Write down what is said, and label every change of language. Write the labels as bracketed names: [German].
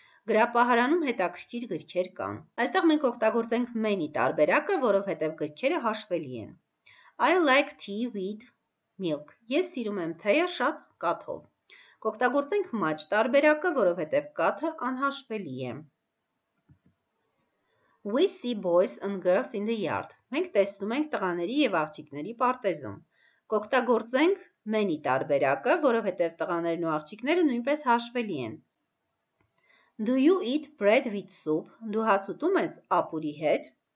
[Armenian] Գրապահարանում հետաքրքիր գրքեր կան. Այստեղ մենք օգտագործենք many տարբերակը, որովհետև գրքերը հաշվելի են. [English] I like tea with milk. [Armenian] Ես սիրում եմ թեյը շատ կաթով. Կօգտագործենք much տարբերակը, որովհետև կաթը անհաշվելի է. [English] We see boys and girls in the yard. [Armenian] Մենք տեսնում ենք տղաների և աղջիկների պարտեզում. Կօգտագործենք many տարբերակը, որովհետև տղաներն ու աղջիկները նույնպես հաշվելի են. [English] Do you eat bread with soup? [Armenian] Դու հաց ուտում ես ապուրի հետ.